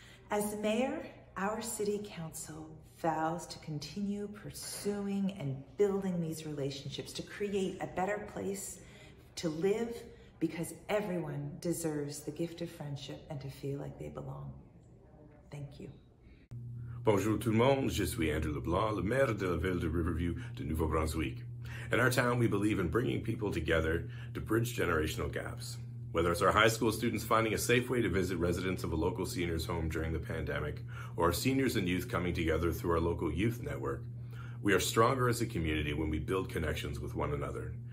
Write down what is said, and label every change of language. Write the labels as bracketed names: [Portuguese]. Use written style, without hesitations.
[English] As mayor, our city council vows to continue pursuing and building these relationships to create a better place to live because everyone deserves the gift of friendship and to feel like they belong. Thank you. [French] Bonjour tout le monde, je suis Andrew LeBlanc, le maire de la ville de Riverview de Nouveau-Brunswick. [English] In our town, we believe in bringing people together to bridge generational gaps. Whether it's our high school students finding a safe way to visit residents of a local senior's home during the pandemic, or our seniors and youth coming together through our local youth network, we are stronger as a community when we build connections with one another.